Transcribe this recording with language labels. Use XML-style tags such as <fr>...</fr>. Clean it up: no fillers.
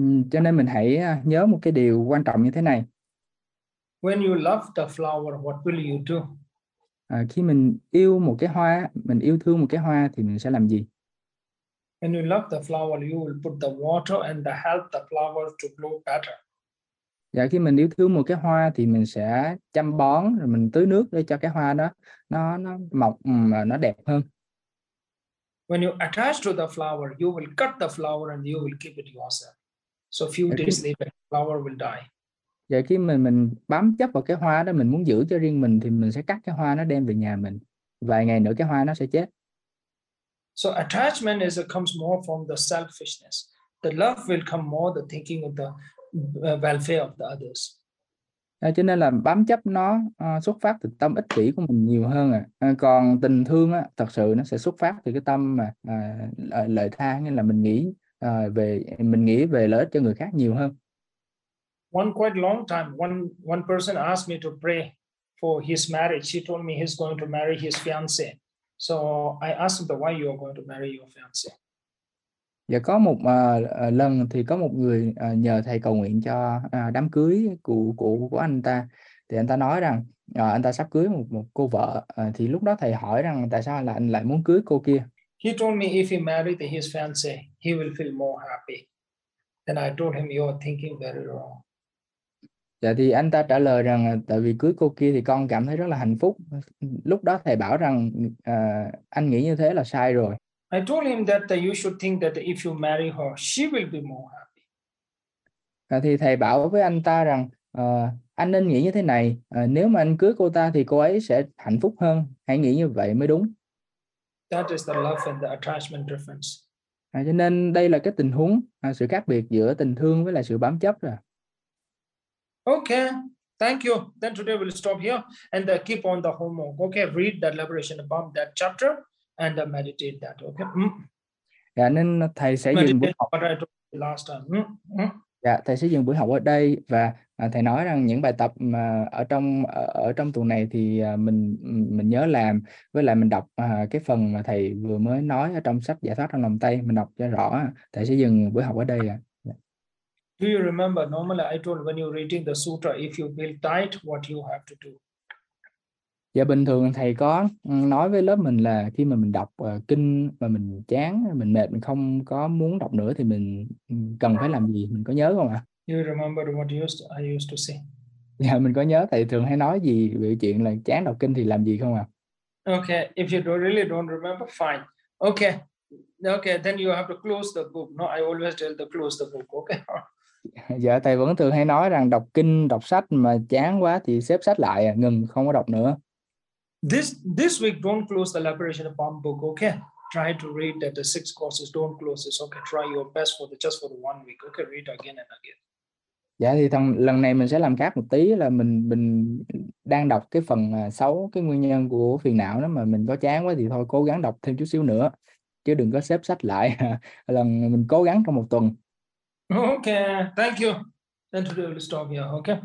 <vi>Cho nên mình hãy nhớ một cái điều quan trọng như thế này.</vi> <en>When you love the flower, what will you do?</en> <vi>Khi mình yêu một cái hoa, mình yêu thương một cái hoa thì mình sẽ làm gì?</vi> <en>When you love the flower, you will put the water and the help the flower to grow better.</en> <vi>Dạ, khi mình yêu thương một cái hoa thì mình sẽ chăm bón, rồi mình tưới nước để cho cái hoa đó nó mọc mà nó đẹp hơn.</vi> <en>When you attach to the flower, you will cut the flower and you will keep it yourself. So few days later, the flower will die.</en> <vi>Dạ, khi mình bám chấp vào cái hoa đó, mình muốn giữ cho riêng mình, thì mình sẽ cắt cái hoa nó đem về nhà mình. Vài ngày nữa cái hoa nó sẽ chết.</vi> <en>So attachment is it comes more from the selfishness. The love will come more the thinking of the welfare of the others.</en> <vi>À, cho nên là bám chấp nó xuất phát từ tâm ích kỷ của mình nhiều hơn à. Còn tình thương á, thật sự nó sẽ xuất phát từ cái tâm mà lợi tha, nghĩa là mình nghĩ về lợi ích cho người khác nhiều hơn.</vi> <en>One quite long time, one person asked me to pray for his marriage. She told me he's going to marry his fiance. So I asked him the why you are going to marry your fiance.</en> <vi>Dạ, có một lần thì có một người nhờ thầy cầu nguyện cho đám cưới của anh ta, thì anh ta nói rằng anh ta sắp cưới một cô vợ, thì lúc đó thầy hỏi rằng tại sao là anh lại muốn cưới cô kia.</vi> <en>He told me if he married his fiance, he will feel more happy. And I told him you are thinking very wrong.</en> <vi>Dạ, thì anh ta trả lời rằng tại vì cưới cô kia thì con cảm thấy rất là hạnh phúc. Lúc đó thầy bảo rằng anh nghĩ như thế là sai rồi.</vi> <en>I told him that you should think that if you marry her, she will be more happy.</en> <vi>Thì thầy bảo với anh ta rằng anh nên nghĩ như thế này, nếu mà anh cưới cô ta thì cô ấy sẽ hạnh phúc hơn, hãy nghĩ như vậy mới đúng.</vi> <en>That is the love and the attachment difference.</en> <vi>Cho nên đây là cái tình huống sự khác biệt giữa tình thương với lại sự bám chấp rồi.</vi> <en>Okay, thank you. Then today we'll stop here and keep on the homework. Okay, read the liberation about that chapter. And meditate that, okay? Mm.</en> <vi>Dạ, nên thầy sẽ</vi> <en>meditate</en> <vi>dừng buổi học.</vi> <en>What I told you last time. Mm.</en> <vi>Dạ, thầy sẽ dừng buổi học ở đây, và thầy nói rằng những bài tập mà ở trong tuần này thì mình nhớ làm, với lại mình đọc cái phần mà thầy vừa mới nói ở trong sách Giải thoát trong lòng tay, mình đọc cho rõ. Thầy sẽ dừng buổi học ở đây.</vi> <en>Do you remember? Normally, I told when you're reading the sutra, if you feel tight, what you have to do.</en> <vi>Dạ, bình thường thầy có nói với lớp mình là khi mà mình đọc kinh mà mình chán, mình mệt, mình không có muốn đọc nữa thì mình cần phải làm gì, mình có nhớ không ạ?</vi> <en>You remember what I used to say.</en> <vi>Dạ, mình có nhớ thầy thường hay nói gì về chuyện là chán đọc kinh thì làm gì không ạ?</vi> <en>Okay, if you don't, really don't remember, fine. Okay, okay, then you have to close the book. No, I always tell to close the book, okay?</en> <vi>Dạ, thầy vẫn thường hay nói rằng đọc kinh, đọc sách mà chán quá thì xếp sách lại, ngừng, không có đọc nữa.</vi> <en>This week don't close the liberation palm book, okay? Try to read that the six courses, don't close this, okay? Try your best for the just for the one week, okay? Read again and again.</en> <vi>Dạ, thì lần này mình sẽ làm khác một tí, là mình đang đọc cái phần xấu, cái nguyên nhân của phiền não đó, mà mình có chán quá thì thôi cố gắng đọc thêm chút xíu nữa, chứ đừng có xếp sách lại. Lần mình cố gắng trong một tuần.</vi> <en>Okay, thank you. Then today we'll stop here, okay?</en>